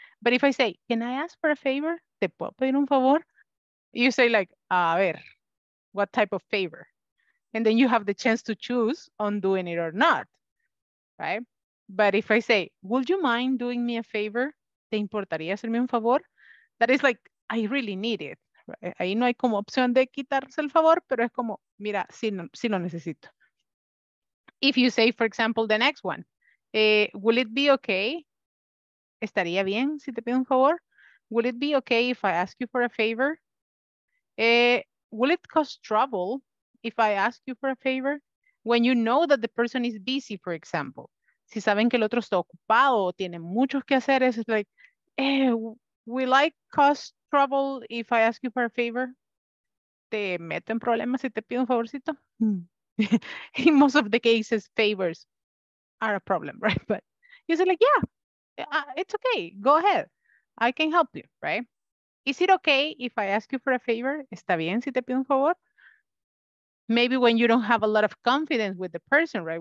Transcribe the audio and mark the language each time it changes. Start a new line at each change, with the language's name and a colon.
English: But if I say, can I ask for a favor?
Spanish: ¿Te puedo pedir un favor?
English: You say like,
Spanish: a ver,
English: what type of favor? And then you have the chance to choose on doing it or not, right? But if I say, would you mind doing me a favor?
Spanish: ¿Te importaría hacerme un favor?
English: That is like, I really need it, right?
Spanish: Ahí no hay como opción de quitarse el favor, pero es como, mira, sí lo necesito.
English: If you say, for example, the next one, will it be okay?
Spanish: ¿Estaría bien si te pido un favor?
English: Will it be okay if I ask you for a favor? Will it cause trouble if I ask you for a favor? When you know that the person is busy, for example.
Spanish: Si saben que el otro está ocupado o tiene mucho que hacer, es
English: like, will I cause trouble if I ask you for a favor?
Spanish: ¿Te meto en problemas si te pido un favorcito?
English: In most of the cases, favors are a problem, right? But you say like, yeah, it's okay. Go ahead. I can help you, right? Is it okay if I ask you for a favor?
Spanish: ¿Está bien si te pido un favor?
English: Maybe when you don't have a lot of confidence with the person, right?